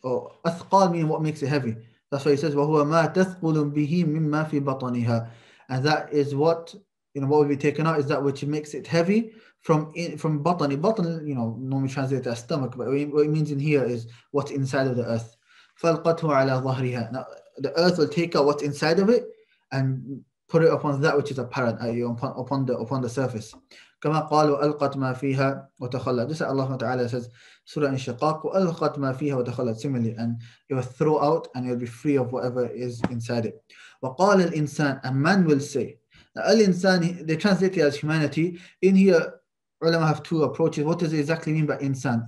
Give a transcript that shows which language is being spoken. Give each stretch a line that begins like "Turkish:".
English: أَثْقَال means what makes it heavy. That's why he says,
Arabic: وَهُوَ مَا تَثْقُلُ بِهِ مِمَّا فِي بَطَنِهَا,
English: and that is what, you know, what will be taken out is that which makes it heavy from batani. Batani, you know, normally translated as stomach, but what it means in here is what's inside of the earth.
Arabic: فَأَلْقَتْهُ عَلَى ظَهْرِهَا.
English: Now, the earth will take out what's inside of it and put it upon that which is apparent, i.e. upon the surface.
Arabic: كما قالوا ألقت ما فيها وتخلت.
English: This is Allah Ta'ala says, Surah Inshiqaq,
Arabic: وألقت ما فيها وتخلت.
English: Similarly, and it will throw out and it will be free of whatever is inside it.
Arabic: وقال الإنسان,
English: a man will say. Now, الإنسان, they translate it as humanity. In here, ulama have two approaches. What does it exactly mean by insan?